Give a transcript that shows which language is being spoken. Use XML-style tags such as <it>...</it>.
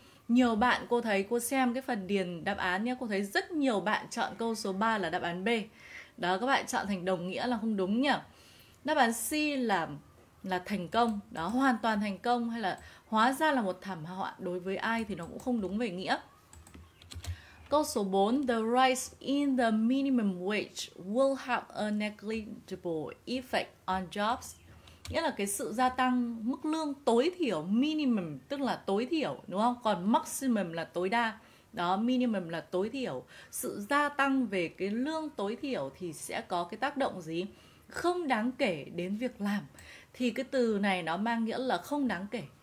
<vi>Nhiều bạn, cô thấy cô xem cái phần điền đáp án nhé, cô thấy rất nhiều bạn chọn câu số 3 là đáp án B. Đó, các bạn chọn thành đồng nghĩa là không đúng nhỉ. Đáp án C là thành công. Đó, hoàn toàn thành công hay là hóa ra là một thảm họa đối với ai thì nó cũng không đúng về nghĩa. Câu số 4,</vi> <en>the rise in the minimum wage will have a negligible effect on jobs.</en> <vi>Nghĩa là cái sự gia tăng mức lương tối thiểu, minimum tức là tối thiểu, đúng không? Còn maximum là tối đa. Đó, minimum là tối thiểu. Sự gia tăng về cái lương tối thiểu thì sẽ có cái tác động gì? Không đáng kể đến việc làm. Thì cái từ này nó mang nghĩa là không đáng kể.</vi>